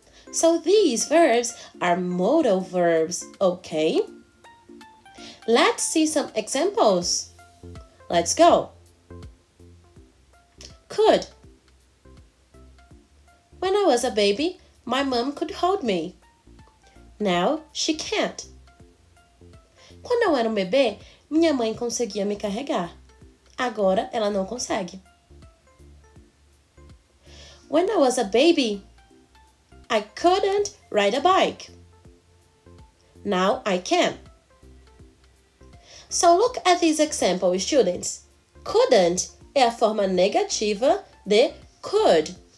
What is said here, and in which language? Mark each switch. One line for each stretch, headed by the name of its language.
English: So these verbs are modal verbs, okay? Let's see some examples. Let's go. Could. When I was a baby, my mom could hold me. Now, she can't.
Portuguese: Quando eu era um bebê, minha mãe conseguia me carregar. Agora, ela não consegue.
English: When I was a baby, I couldn't ride a bike. Now, I can. So, look at this example, students. Couldn't
Portuguese: é a forma negativa de
English: could.